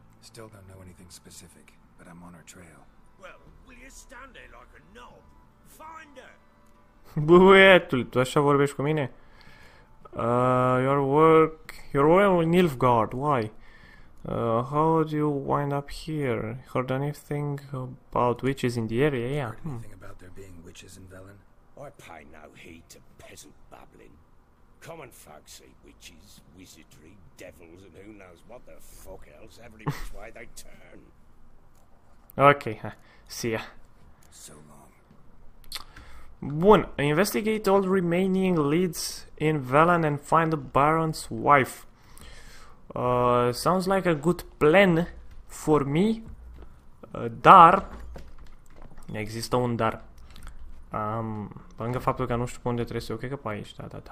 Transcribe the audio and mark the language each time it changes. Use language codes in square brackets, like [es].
[en] Still don't know anything specific, but I'm on her trail. Well, will you stand there like a knob? Find her! [ro] Băiatul, tu așa vorbești cu mine? [en] Your work with Nilfgaard, why? How do you wind up here? Heard anything about witches in the area? Yeah. Heard anything about there being witches in Velen? I pay no heed to peasant babbling. Common folks see witches, wizardry, devils, and who knows what the fuck else every which way they turn. Okay, see ya. So long. Bun, investigate all remaining leads in Velen and find the Baron's wife. Sounds like a good plan for me, [ro] dar, există un dar, lângă faptul că nu știu unde trebuie să eu, cred că pe aici, da.